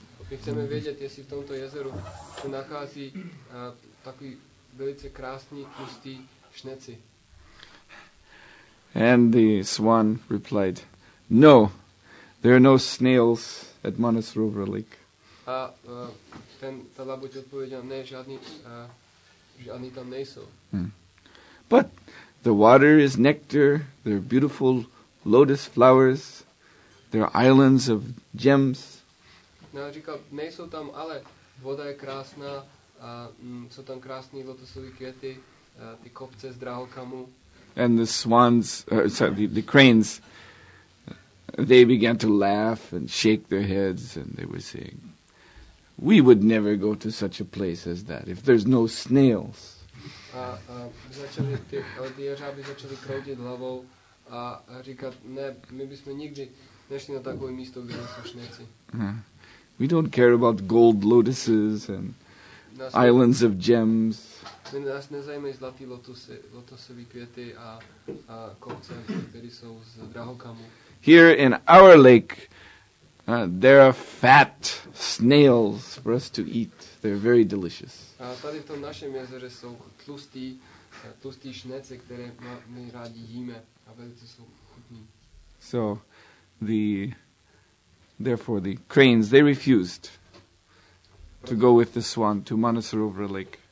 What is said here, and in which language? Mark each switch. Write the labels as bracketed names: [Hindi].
[Czech] My chceme vědět, jestli v tomto jezeru se nachází takový velice krásný, tlustý šneci. [English] And the swan replied, no, there are no snails at Manasarovar Lake. [Czech] A ten, ta labuť odpověděl, ne, žádný, žádný tam nejsou. Hmm. [English] But the water is nectar, there are beautiful lotus flowers, there are islands of gems. [Czech] No, říkal, nejsou tam, ale voda je krásná, a jsou tam krásné lotusové květy, ty kopce z drahokamu. [English] And the swans, the cranes, they began to laugh and shake their heads, and they were saying, we would never go to such a place as that if there's no snails. [Czech] Začali ty, ale ty jeřáby začali kroutit hlavou a říkat, ne, my bychom nikdy nešli na takové místo, kde jsou šneci. [English] We don't care about gold lotuses and nás islands of gems. [Czech] My nás nezajímají zlatý lotusy, lotusový květy a kopce, které jsou z drahokamu. [English] Here in our lake, there are fat snails for us to eat. They're very delicious. [Czech] Tady v tom našem jezeře jsou tlustý, tlustý šnece, které my rádi jíme a velice jsou chutný. [English] So, therefore the cranes, they refused to go with the swan to Manasarovar Lake.